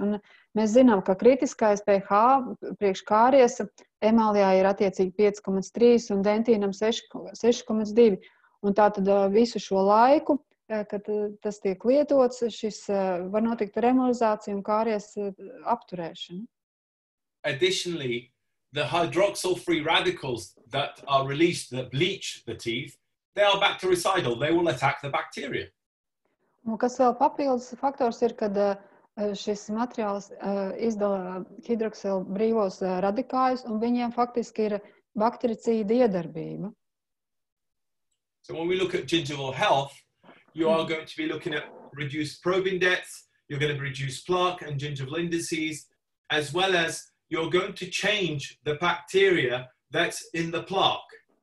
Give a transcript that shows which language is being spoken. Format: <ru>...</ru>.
<lv>Un mēs zinām, ka kritiskais pH priekš kāries emālijā ir attiecīgi 5,3 un dentīnam 6,2. Un tātad visu šo laiku, kad tas tiek lietots, šis var notikt remolizācija un kāries apturēšana.</lv> <en>Additionally, the hydroxyl-free radicals that are released that bleach the teeth, they are bactericidal. They will attack the bacteria.</en> <lv>Un kas vēl papildus faktors ir, kad šis materiāls izdala hidroksila brīvos radikāļus, un viņiem faktiski ir baktericīda iedarbība.</lv> <en>So when we look at gingival health, you are going to be looking at reduced probing depths, you're going to reduce plaque and gingival indices, as well as you're going to change the bacteria that's in the plaque.</en>